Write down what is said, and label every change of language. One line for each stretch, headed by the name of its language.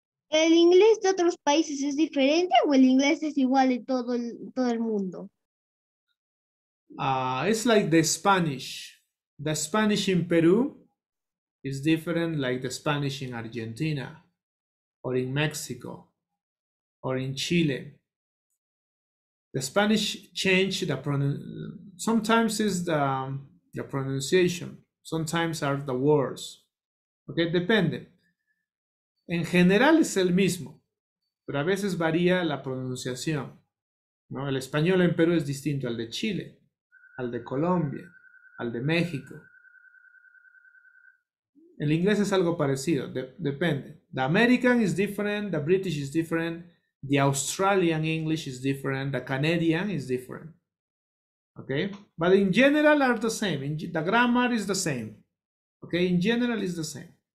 Spanish: ¿El inglés de otros países es diferente o el inglés es igual de todo el mundo?
English: It's like the Spanish. The Spanish in Peru is different like the Spanish in Argentina or in Mexico or in Chile. The Spanish change the pronunciation. Sometimes it's the pronunciation. Sometimes are the words. Okay, depende.
Spanish: En general es el mismo, pero a veces varía la pronunciación. ¿No? El español en Perú es distinto al de Chile, al de Colombia, al de México. El inglés es algo parecido, depende.
English: The American is different, the British is different, the Australian English is different, the Canadian is different. Okay? But in general are the same. The grammar is the same. Okay? In general is the same.